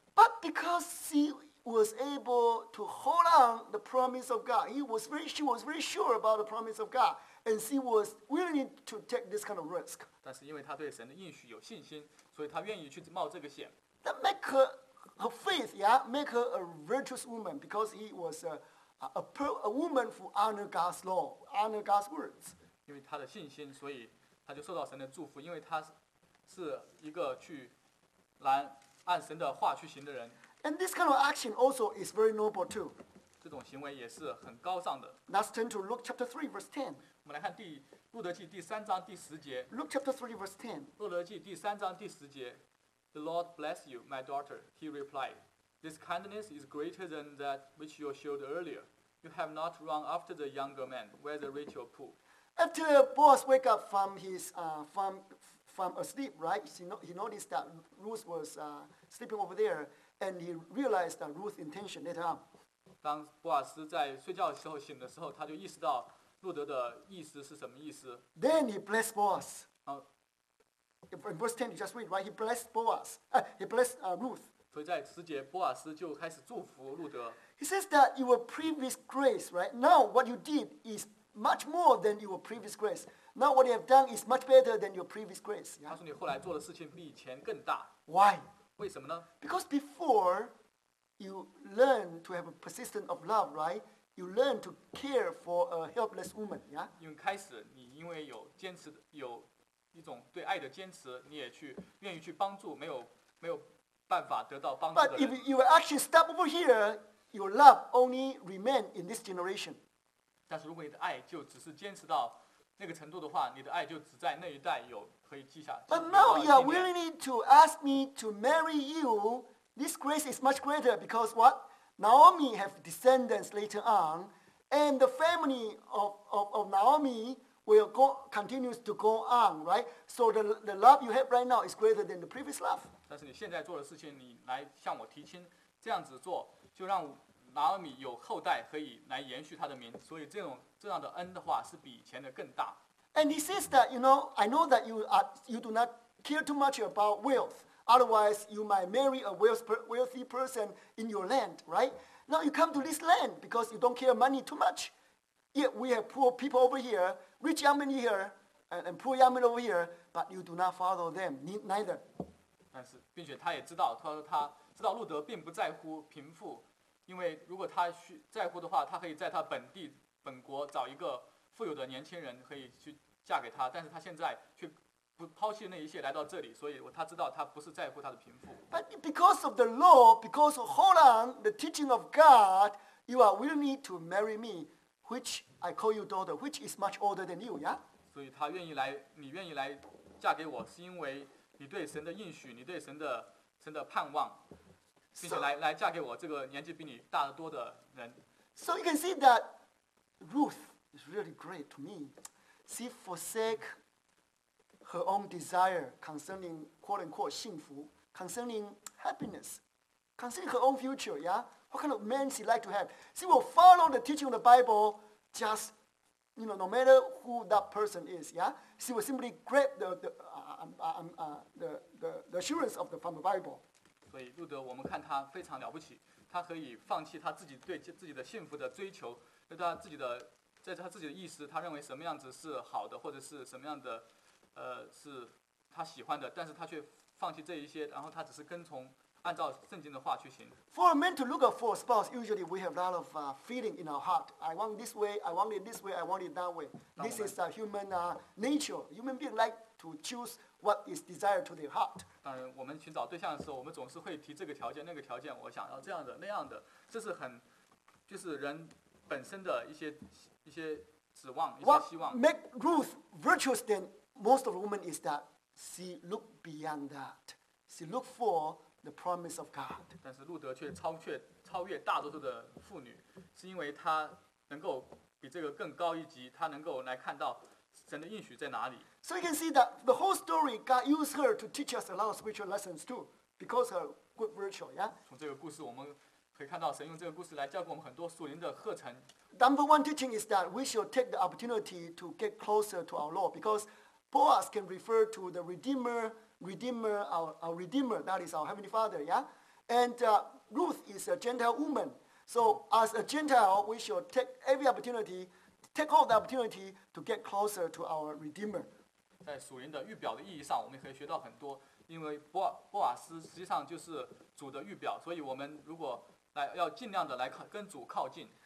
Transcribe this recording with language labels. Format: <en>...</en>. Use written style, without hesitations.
<en>But because she was able to hold on the promise of God, she was very sure about the promise of God, and she was willing to take this kind of risk.</en> <zh>但是因为她对神的应许有信心，所以她愿意去冒这个险。</zh> <en>That make her faith, yeah, make her a virtuous woman because he was a woman who honor God's law, honor God's words.</en> <zh>因为他的信心，所以他就受到神的祝福。因为他是一个去来按神的话去行的人。</zh> <en>And this kind of action also is very noble too.</en> <zh>这种行为也是很高尚的。</zh> <en>Let's turn to Luke chapter 3 verse 10.</en> <zh>我们来看路德记第三章第十节。</zh> <en>Luke chapter 3 verse 10.</en> <zh>路德记第三章第十节。</zh> <en>The Lord bless you, my daughter, he replied. This kindness is greater than that which you showed earlier. You have not run after the younger man, whether rich or poor. After Boaz wake up from his from asleep, right? He noticed that Ruth was sleeping over there, and he realized that Ruth's intention later on.</en> <zh>当Boaz在睡觉的时候醒的时候，他就意识到路德的意思是什么意思。</zh> <en>Then he blessed Boaz. In verse 10, you just read, right? He blessed Ruth.</en> <zh>所以在十节，波阿斯就开始祝福路德。</zh> <en>He says that your previous grace, right? Now what you did is much more than your previous grace. Now what you have done is much better than your previous grace.</en> <zh>他说你后来做的事情比以前更大。</zh> <en>Why?</en> <zh>为什么呢</zh> <en>？Because before you learn to have a persistent of love, right? You learn to care for a helpless woman, yeah?</en> <zh>因为开始你因为有坚持，有一种对爱的坚持，你也去愿意去帮助没有办法得到帮助的人。</zh> <en>But if your action stop over here, your love only remain in this generation.</en> <zh>但是如果你的爱就只是坚持到那个程度的话，你的爱就只在那一代有可以记下。</zh> <en>But now you are willing to ask me to marry you. This grace is much greater because what? Naomi have descendants later on, and the family of Naomi. Will go continues to go on, right? So the love you have right now is greater than the previous love.</en> <zh>但是你现在做的事情，你来向我提亲，这样子做就让拿俄米有后代可以来延续他的名，所以这样的恩的话是比以前的更大。</zh> <en>And he says that you know, I know that you do not care too much about wealth. Otherwise, you might marry a wealthy person in your land, right? Now you come to this land because you don't care money too much. Yet we have poor people over here. Rich young men here and poor young men over here, but you do not follow them, neither.</en> <zh>但是，并且他也知道，他说他知道路德并不在乎贫富，因为如果他在乎的话，他可以在他本地本国找一个富有的年轻人可以去嫁给他。但是他现在却不抛弃那一切来到这里，所以他知道他不是在乎他的贫富。</zh> <en>But because of the law, because of hold on the teaching of God, you are willing to marry me. Which I call you daughter, which is much older than you, yeah.</en> <zh>所以他愿意来，你愿意来嫁给我，是因为你对神的应许，你对神的盼望，并且来嫁给我这个年纪比你大得多的人。</zh> <en>So you can see that Ruth is really great to me. She forsake her own desire concerning quote unquote 幸福 concerning happiness, concerning her own future, yeah. What kind of man she like to have? She will follow the teaching of the Bible, just you know, no matter who that person is. Yeah, she will simply grab the assurance of the from the Bible.</en> <zh>所以路德，我们看他非常了不起，他可以放弃他自己对自己的幸福的追求，在他自己的意识，他认为什么样子是好的，或者是什么样的，是他喜欢的，但是他却放弃这一些，然后他只是跟从。按照圣经的话去行。</zh> <en>For a man to look for a spouse, usually we have a lot of feeling in our heart. I want this way, I want it this way, I want it that way. This is a human nature. Human being like to choose what is desired to their heart.</en> <zh>当然，我们寻找对象的时候，我们总是会提这个条件、那个条件，我想要这样的、那样的，这是很，就是人本身的一些指望、一些希望。</zh> <en>What make Ruth virtuous than most of women is that she look beyond that. She look for the promise of God.</en> <zh>但是路德却超越大多数的妇女，是因为她能够比这个更高一级，她能够来看到神的应许在哪里。</zh> <en>So you can see that the whole story, God used her to teach us a lot of spiritual lessons too, because her good virtue, yeah.</en> <zh>从这个故事我们可以看到，神用这个故事来教给我们很多属灵的课程。</zh> <en>Number one teaching is that we should take the opportunity to get closer to our Lord, because Boaz can refer to the Redeemer. Redeemer, our Redeemer, that is our Heavenly Father, yeah? And Ruth is a Gentile woman. So as a Gentile, we should take every opportunity, take all the opportunity to get closer to our Redeemer.</en> <zh>在属灵的预表的意义上，我们可以学到很多，因为波瓦斯实际上就是主的预表，所以我们如果来要尽量的来跟主靠近。</zh>